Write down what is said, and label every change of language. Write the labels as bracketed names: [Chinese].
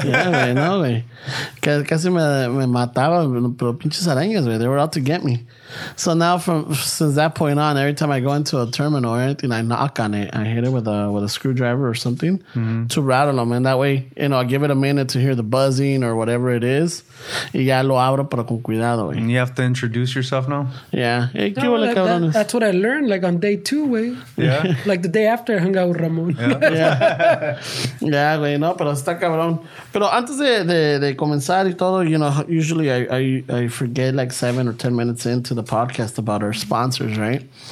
[Spanish] Yeah, güey, no, güey. Casi me mataba, pero pinches arañas, güey. [English] They were out to get me. So now, since that point on, every time I go into a terminal or anything, I knock on it. I hit it with a screwdriver or something to rattle them. And that way, you know, I give it a minute to hear the buzzing or whatever it is. [Spanish] Y ya lo abro, pero con cuidado, güey. [English] You have to introduce yourself now? Yeah. Hey, no, that's what I learned, like, on day two, güey. Yeah? Like, the day after I hung out with Ramon. [Spanish] Yeah, güey, yeah, no, pero está cabrón. Pero antes de comenzar y todo, [English] you know, usually I forget, like, 7 or 10 minutes into the podcast about our sponsors, right?